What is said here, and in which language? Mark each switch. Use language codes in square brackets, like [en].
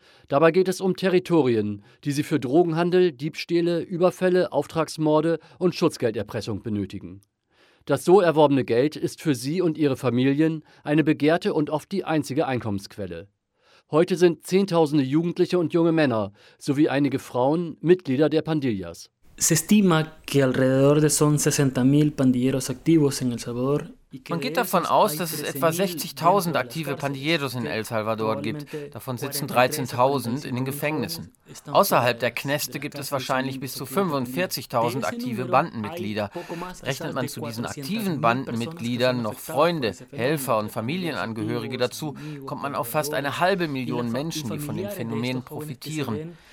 [de] Dabei geht es um Territorien, die sie für Drogenhandel, Diebstähle, Überfälle, Auftragsmorde und Schutzgelderpressung benötigen. Das so erworbene Geld ist für sie und ihre Familien eine begehrte und oft die einzige Einkommensquelle. Heute sind Zehntausende Jugendliche und junge Männer sowie einige Frauen Mitglieder der Pandillas. [es] Se estima que alrededor de son 60.000 pandilleros activos en El Salvador. [de] Man geht davon aus, dass es etwa 60.000 aktive Pandilleros in El Salvador gibt. Davon sitzen 13.000 in den Gefängnissen. Außerhalb der Knäste gibt es wahrscheinlich bis zu 45.000 aktive Bandenmitglieder. Rechnet man zu diesen aktiven Bandenmitgliedern noch Freunde, Helfer und Familienangehörige dazu, kommt man auf fast eine 500.000 Menschen, die von dem Phänomen profitieren.